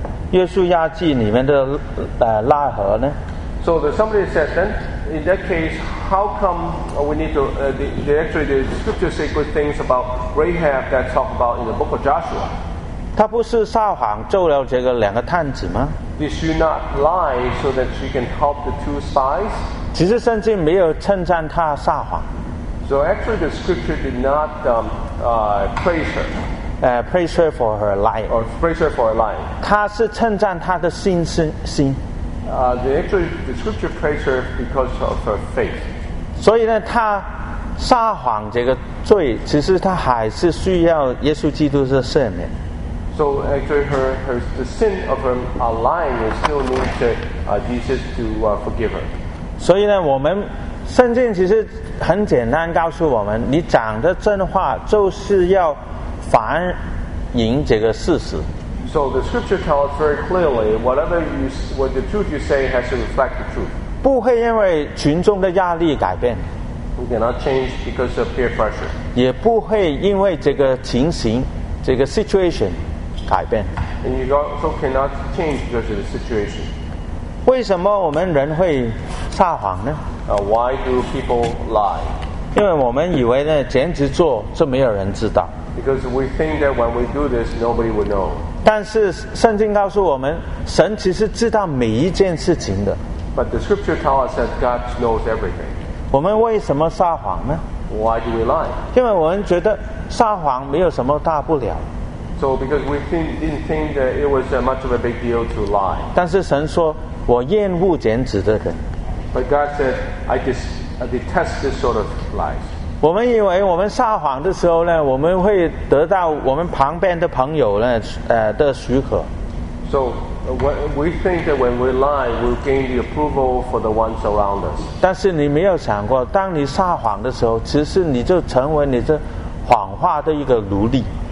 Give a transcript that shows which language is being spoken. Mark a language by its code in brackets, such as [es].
[zh] 约书亚记里面的拉合呢 [en] ？So somebody said then in that case, how come we need to actually the scripture say good things about Rahab that talk about in the book of Joshua? [zh] 他不是撒谎救了这个两个探子吗 [en] ？Did she not lie so that she can help the two spies? [zh] 其实圣经没有称赞他撒谎。 [en] So actually, the scripture did not praise her. Praise her for her lying. Or praise her for her lying. [zh] 他是称赞他的心。 [en] The scripture praise her because of her faith. [zh] 所以呢，他撒谎这个罪，其实他还是需要耶稣基督的赦免。 [en] So actually, the sin of her lying is still needs to Jesus to forgive her. [zh] 所以呢，我们圣经其实很简单告诉我们，你讲的真话就是要。反映这个事实。 [en] So the scripture tells very clearly, whatever you, what the truth you say has to reflect the truth. [zh] 不会因为群众的压力改变。 [en] We cannot change because of peer pressure. [zh] 也不会因为这个情形，这个 situation 改变。 [en] And you also cannot change because of the situation. [zh] 为什么我们人会撒谎呢？ [en] Why do people lie? [zh] 因为我们以为呢，这样子做就没有人知道。 [en] Because we think that when we do this, nobody would know. [zh] 但是圣经告诉我们，神其实知道每一件事情的。 [en] But the scripture tells us that God knows everything. [zh] 我们为什么撒谎呢？ [en] Why do we lie? [zh] 因为我们觉得撒谎没有什么大不了。 [en] So because we didn't think that it was much of a big deal to lie. [zh] 但是神说，我厌恶奸诈的人。 [en] But God said, I detest this sort of lies. [zh] 我们以为我们撒谎的时候呢，我们会得到我们旁边的朋友呢，的许可。 [en] So we think that when we lie, we'll gain the approval for the ones around us. [zh] 但是你没有想过，当你撒谎的时候，其实你就成为你这谎话的一个奴隶。